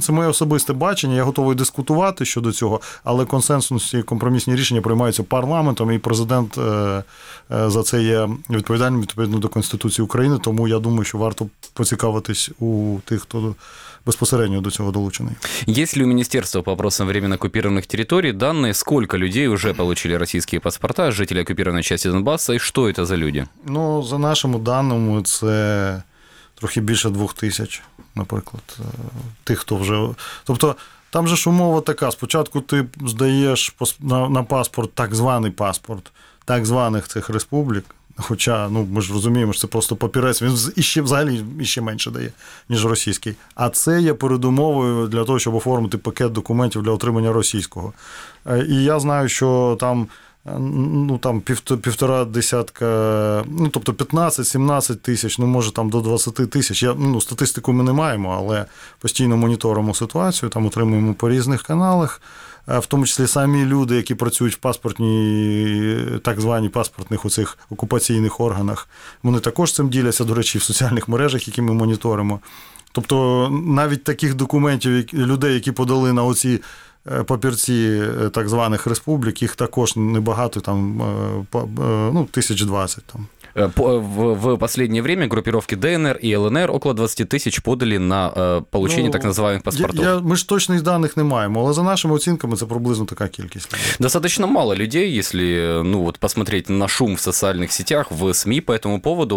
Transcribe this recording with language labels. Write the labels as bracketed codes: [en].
[uk] Це моє особисте бачення, я готовий дискутувати щодо цього, але консенсусні компромісні рішення приймаються парламентом, і президент за це є відповідальним відповідно до Конституції України, тому я думаю, що варто поцікавитись у тих, хто безпосередньо до цього долучений. [ru] Есть ли у Министерства по вопросам временно оккупированных территорий данные, сколько людей уже получили российские паспорта, жители оккупированной части Донбасса, и что это за люди? [uk] Ну, за нашими даними, це трохи більше 2000, наприклад, тих, хто вже... Тобто, там же ж умова така. Спочатку ти здаєш на паспорт, так званий паспорт, так званих цих республік, хоча, ну, ми ж розуміємо, що це просто папірець, він іще, взагалі іще менше дає, ніж російський. А це є передумовою для того, щоб оформити пакет документів для отримання російського. І я знаю, що там... Ну, там півтора десятка, ну, тобто 15-17 тисяч, ну, може, там до 20 тисяч. Статистику ми не маємо, але постійно моніторимо ситуацію, там отримуємо по різних каналах, в тому числі самі люди, які працюють в паспортній, так званій паспортних оцих окупаційних органах, вони також цим діляться, до речі, в соціальних мережах, які ми моніторимо. Тобто навіть таких документів, людей, які подали на оці папірці так званих республік, їх також небагато, там, ну, 1020 там. [ru] В последнее время группировки ДНР и ЛНР около 20 тысяч подали на получение, ну, так называемых паспортов. Мы же точных данных не [uk] маем, [ru] но за нашими оценками это [uk] приблизно [ru] такая количество. Достаточно мало людей, если посмотреть на шум в социальных сетях, в СМИ по этому поводу.